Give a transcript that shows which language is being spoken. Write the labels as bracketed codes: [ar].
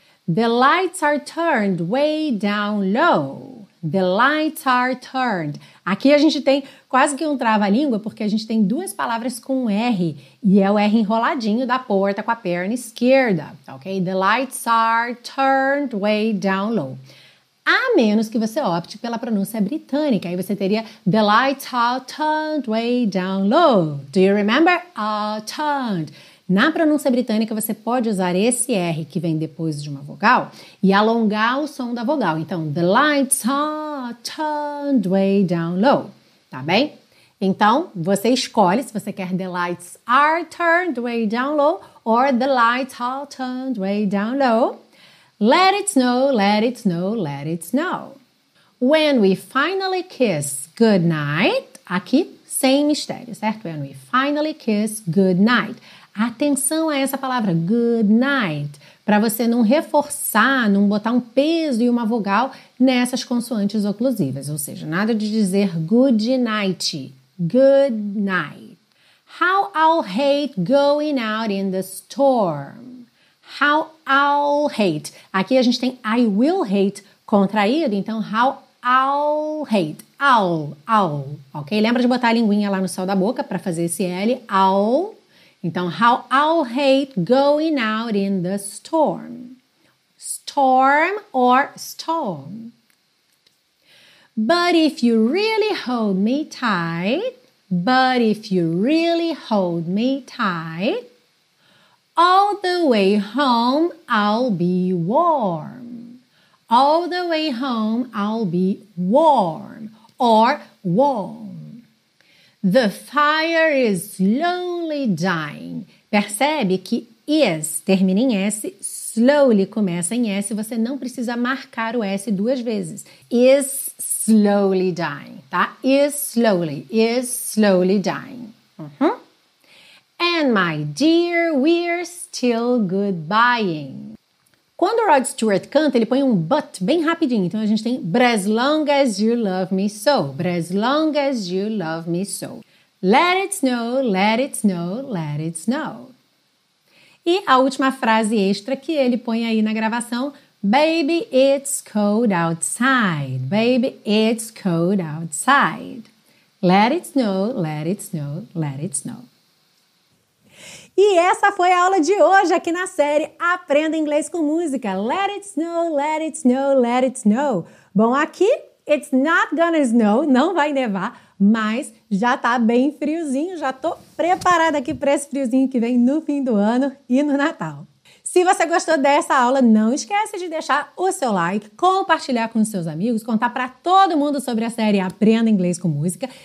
[en] The lights are turned way down low. The lights are turned. [pt] Aqui a gente tem quase que um trava-língua, porque a gente tem duas palavras com R, e é o R enroladinho da porta com a perna esquerda. Ok? [en] The lights are turned way down low. [pt] A menos que você opte pela pronúncia britânica, aí você teria [en] the lights are turned way down low. Do you remember? Are turned. [pt] Na pronúncia britânica, você pode usar esse R que vem depois de uma vogal e alongar o som da vogal. Então, [en] the lights are turned way down low, [pt] tá bem? Então, você escolhe se você quer [en] the lights are turned way down low or the lights are turned way down low. Let it snow, let it snow, let it snow. When we finally kiss goodnight, [pt] aqui, sem mistério, certo? [en] When we finally kiss goodnight. [pt] Atenção a essa palavra, good night, para você não reforçar, não botar um peso e uma vogal nessas consoantes oclusivas. Ou seja, nada de dizer [en] good night, good night. How I'll hate going out in the storm. How I'll hate. [pt] Aqui a gente tem [en] I will hate [pt] contraído, então [en] how I'll hate. I'll, I'll, ok? [pt] Lembra de botar a linguinha lá no céu da boca para fazer esse L, [en] I'll. [pt] Então, [en] how I'll hate going out in the storm. Storm or storm. But if you really hold me tight, but if you really hold me tight, all the way home I'll be warm. All the way home I'll be warm or warm. The fire is slowly dying. [pt] Percebe que is termina em S, slowly começa em S, você não precisa marcar o S duas vezes. [en] Is slowly dying, [pt] tá? [en] Is slowly dying. Uhum. And my dear, we're still goodbying. [pt] Quando o Rod Stewart canta, ele põe um but bem rapidinho. Então a gente tem [en] But as long as you love me so. But as long as you love me so. Let it snow, let it snow, let it snow. [pt] E a última frase extra que ele põe aí na gravação. [en] Baby, it's cold outside. Baby, it's cold outside. Let it snow, let it snow, let it snow. [pt] E essa foi a aula de hoje aqui na série Aprenda Inglês com Música. [en] Let it snow, let it snow, let it snow. [pt] Bom, aqui, [en] it's not gonna snow, [pt] não vai nevar, mas já tá bem friozinho. Já tô preparada aqui para esse friozinho que vem no fim do ano e no Natal. Se você gostou dessa aula, não esquece de deixar o seu like, compartilhar com seus amigos, contar para todo mundo sobre a série Aprenda Inglês com Música.